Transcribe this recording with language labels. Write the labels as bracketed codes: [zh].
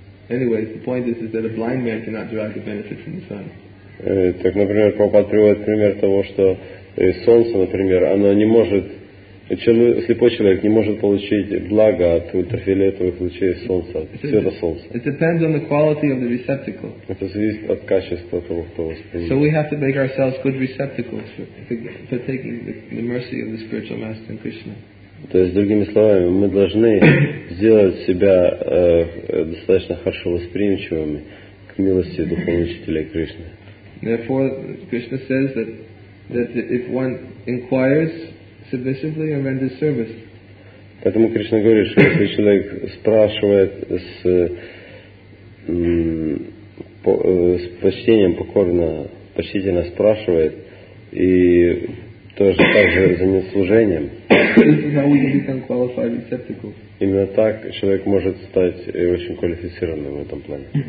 [en] Anyways, the point is that a blind man cannot derive the benefit from the sun. [ru] Так, например, Прабхупад приводит пример того, что солнце, например, оно не может, слепой человек не может получить благо от ультрафиолетовых лучей солнца, света солнца. [en] It depends on the quality of the receptacle. [ru] Это зависит от качества того, кто воспринимает. [en] So we have to make ourselves good receptacles for taking the mercy of the spiritual master and Krishna. [ru] То есть, другими словами, мы должны сделать себя достаточно хорошо восприимчивыми к милости духовного учителя Кришны. [en] Therefore, Krishna says that if one inquires submissively and renders service. [ru] Поэтому Кришна говорит, что если человек спрашивает с почтением, почтительно спрашивает и тоже также занят служением. [en] This is how we can become qualified receptacles. [ru] Именно так человек может стать очень квалифицированным в этом плане.